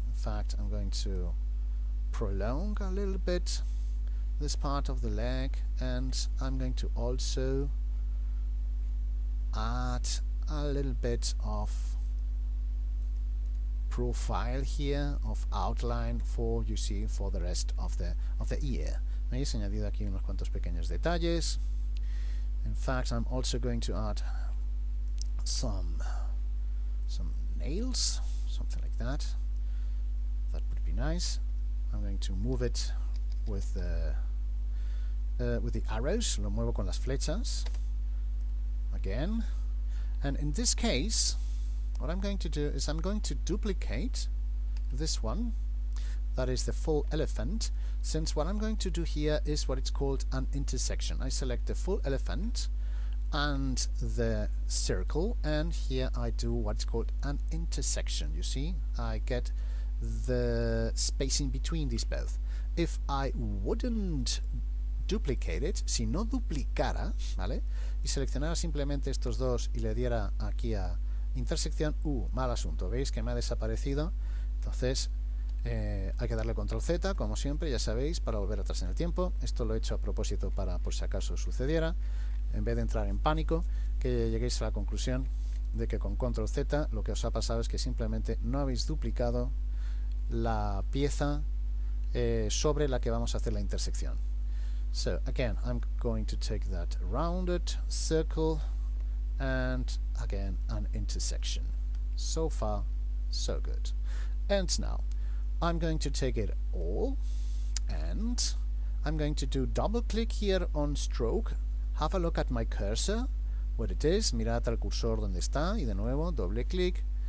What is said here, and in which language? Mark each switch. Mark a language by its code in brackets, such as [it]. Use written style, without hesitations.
[en] In fact, I'm going to prolong a little bit this part of the leg, and I'm going to also add a little bit of profile here, of outline, for, you see, for the rest of the ear. [es] Me he añadido aquí unos cuantos pequeños detalles. [en] In fact, I'm also going to add some nails, something like that. That would be nice. I'm going to move it with the arrows. [es] Lo muevo con las flechas. [en] Again. And in this case, what I'm going to do is I'm going to duplicate this one, that is the full elephant, since what I'm going to do here is what it's called an intersection. I select the full elephant and the circle, and here I do what's called an intersection. You see, I get the spacing between these both. If I wouldn't duplicate it, [es] si no duplicara, ¿vale?, y seleccionara simplemente estos dos y le diera aquí a intersección, mal asunto, veis que me ha desaparecido. Entonces hay que darle control Z, como siempre, ya sabéis, para volver atrás en el tiempo. Esto lo he hecho a propósito para, por si acaso sucediera, en vez de entrar en pánico, que lleguéis a la conclusión de que con control Z lo que os ha pasado es que simplemente no habéis duplicado la pieza sobre la que vamos a hacer la intersección. [en] So again, I'm going to take that rounded circle and again an intersection. So far, so good. And now, I'm going to take it all and I'm going to do double click here on stroke. Have a look at my cursor, where it is. [es] Mirad al cursor donde está y de nuevo doble click.